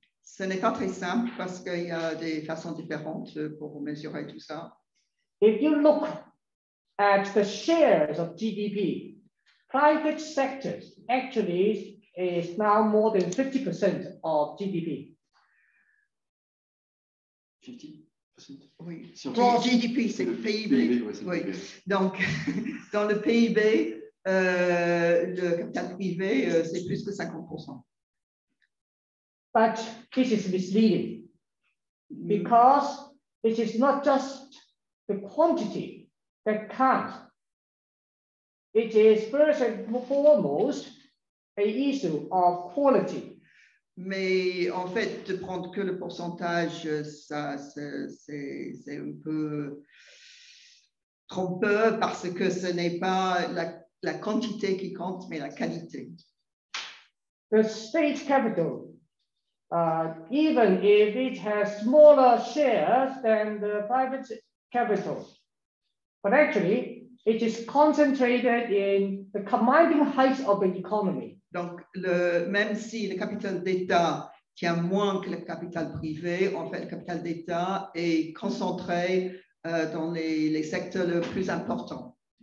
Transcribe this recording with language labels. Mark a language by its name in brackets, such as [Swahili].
[French] Ce n'est pas très simple parce qu'il y a des façons différentes pour mesurer tout ça. [English] If you look at the shares of GDP, private sectors actually is now more than 50% of GDP. 50. [French] Oui. Si on dit, GDP, c'est le PIB. PIB, ouais, c'est oui. PIB. Donc, dans le PIB, le capital privé, c'est plus que 50%. [English] But this is misleading because it is not just the quantity that counts. It is first and foremost an issue of quality. [French] Mais en fait, de prendre que le pourcentage, ça, c'est un peu trompeur parce que ce n'est pas la quantité qui compte, mais la qualité. [English] The state capital, even if it has smaller shares than the private capital, but actually, it is concentrated in the commanding heights of the economy. [French] Donc, même si le capital d'État tient moins que le capital privé, en fait, le capital d'État est concentré dans les secteurs les plus importants.